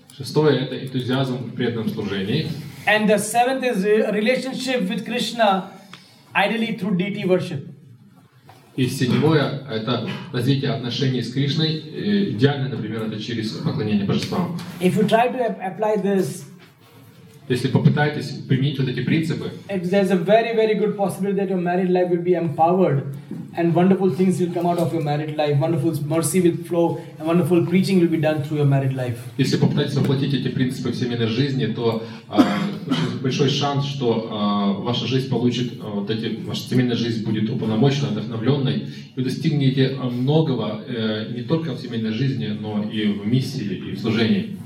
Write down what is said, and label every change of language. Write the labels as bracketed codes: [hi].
[ru] Шестое это энтузиазм в преданном служении. [en] And the seventh is relationship with Krishna, ideally through deity worship. [ru] И седьмое это развитие отношений с Кришной, идеально, например, это через поклонение божествам. [en] If you try to apply this, [ru] если попытаетесь применить вот эти принципы, [en] there's a very very good possibility that your married life will be empowered. And wonderful things will come out of your married life. Wonderful mercy will flow, and wonderful preaching will be done through your married life. [ru] Если попытаться воплотить эти принципы в семейной жизни, то большой шанс, что ваша жизнь получит вот эти, ваша семейная жизнь будет уполномоченной, вдохновленной, вы достигнете многого не только в семейной жизни, но и в миссии и в служении.